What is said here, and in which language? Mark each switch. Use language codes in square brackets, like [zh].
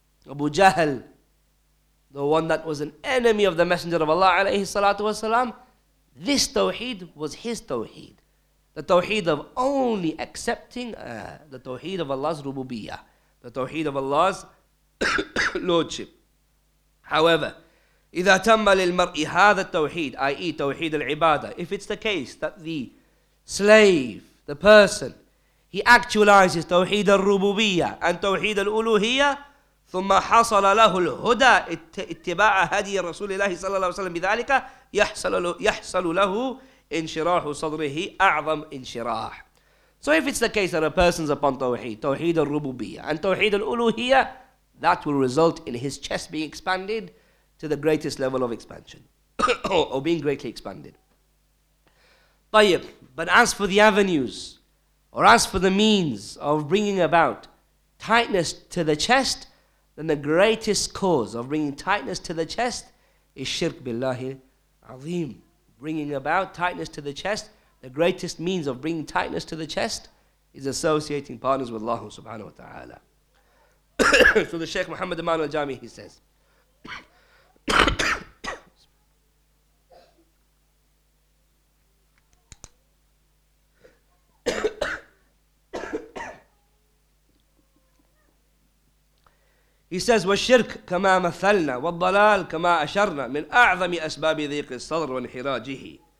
[en] Abu Jahl, the one that was an enemy of the Messenger of Allah alayhi salatu wasalam, this tawheed was his tawheed. The tawheed of only accepting the tawheed of Allah's rububiyyah, the tawheed of Allah's lordship. However, [ar] إِذَا تَمَّ لِلْمَرْءِ هَذَا التَّوْحِيدِ, [en] i.e. tawheed al-ibadah, if it's the case that the slave, the person, he actualizes tawheed al-rububiyyah and tawheed al-uluhiyyah, [ar] ثم حصل له الهدى اتباع هدي رسول الله صلى الله عليه وسلم بذلك يحصل له انشراح صدره أعظم انشراح. [en] So if it's the case that a person's upon tawheed, tawheed al-rububiyyah and tawheed al-uluhiyyah, that will result in his chest being expanded to the greatest level of expansion or being greatly expanded. طيب, but as for the avenues or as for the means of bringing about tightness to the chest, then the greatest cause of bringing tightness to the chest is shirk billahi azim. Bringing about tightness to the chest, the greatest means of bringing tightness to the chest is associating partners with Allah subhanahu wa ta'ala. So the Shaykh Muhammad Iman al-Jami, he says, [ar] he says, والشرك كما مثلنا والضلال كما أشرنا من أعظم أسباب ضيق الصدر وانحراجه